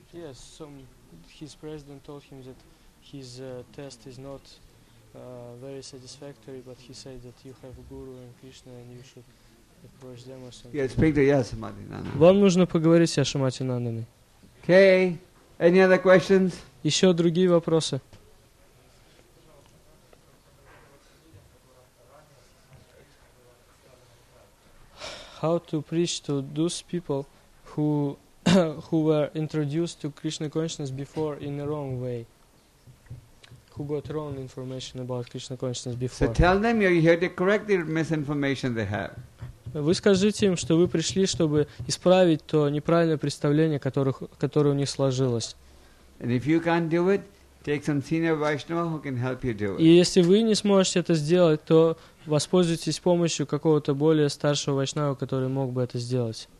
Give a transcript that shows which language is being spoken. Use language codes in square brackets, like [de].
[en] Yes, his president told him that his test is not very satisfactory, but he said that you have Guru and Krishna and you should approach them or something. Yeah, speak to Yashamati Nandana. [ru] Вам нужно поговорить с Яшамати Нанданой. [en] Okay. Any other questions? [ru] Еще другие вопросы. [en] How to preach to those people who who were introduced to Krishna consciousness before in the wrong way? Who got wrong information about Krishna consciousness before? So tell them you're here to correct the misinformation they have. [ru] Вы скажите им, что вы пришли, чтобы исправить то неправильное представление, которое у них сложилось. [en] And if you can't do it, take some senior Vaishnava who can help you do it. [ru] И если вы не сможете это сделать, то воспользуйтесь помощью какого-то более старшего Вайшнава, который мог бы это сделать.